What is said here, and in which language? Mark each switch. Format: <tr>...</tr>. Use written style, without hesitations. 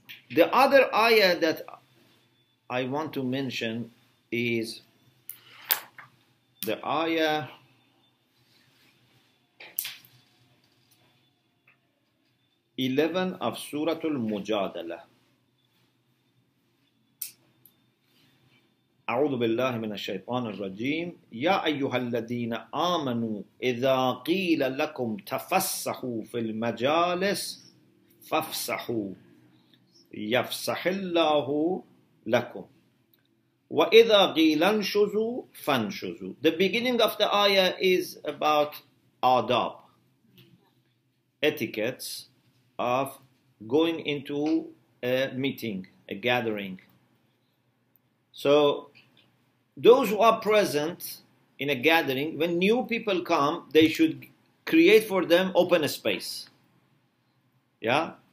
<en>The other ayah that I want to mention is the ayah of Surah Al-Mujadalah.</en> <ar>أعوذ بالله من الشيطان الرجيم يا أيها الذين آمنوا إذا قيل لكم تفسحوا في المجالس فافسحوا يفسح الله لكم. وَإِذَا قِيلَ انْشُزُوا فَانْشُزُوا.</ar> <en>The beginning of the ayah is about adab, etiquettes of going into a meeting, a gathering. So those who are present in a gathering, when new people come, they should create for them open a space. Yeah?</en>